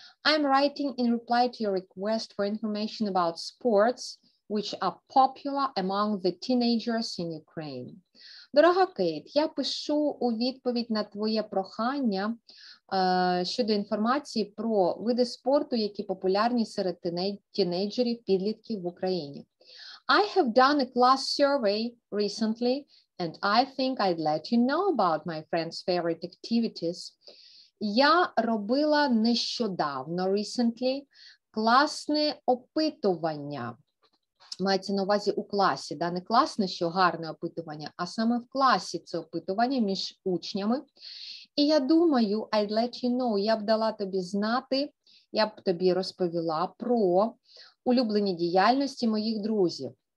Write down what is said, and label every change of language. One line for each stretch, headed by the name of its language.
English: I'm writing in reply to your request for information about sports, which are popular among the teenagers in Ukraine.
Ukrainian: Дорога Кейт, я пишу у відповідь на твоє прохання щодо інформації про види спорту, які популярні серед тінейджерів, підлітків в Україні.
English: I have done a class survey recently, and I think I'd let you know about my friends' favorite activities.
Ukrainian: Я робила нещодавно, recently, класне опитування. Мається на увазі у класі, да, не класне, що гарне опитування, а саме в класі це опитування між учнями. І я думаю,
English: I'd let you know,
Ukrainian: я б дала тобі знати, я б тобі розповіла про улюблені діяльності моїх друзів.